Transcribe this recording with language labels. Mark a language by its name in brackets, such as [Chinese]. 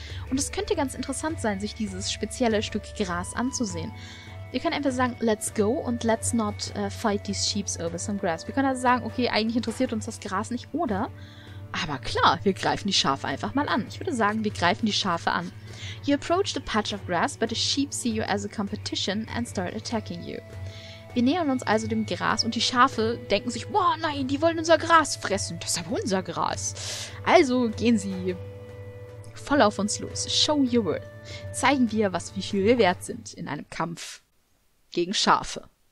[German] Und es könnte ganz interessant sein, sich dieses spezielle Stück Gras anzusehen. Wir können einfach sagen, [English] let's go und let's not fight these sheep over some grass. [German] Wir können also sagen, okay, eigentlich interessiert uns das Gras nicht, oder... Aber klar, wir greifen die Schafe einfach mal an. Ich würde sagen, wir greifen die Schafe an. [English] You approach the patch of grass, but the sheep see you as a competition and start attacking you. [German] Wir nähern uns also dem Gras und die Schafe denken sich, boah, nein, die wollen unser Gras fressen. Das ist aber unser Gras. Also gehen sie voll auf uns los. [English] Show your worth. [German] Zeigen wir, wie viel wir wert sind in einem Kampf gegen Schafe.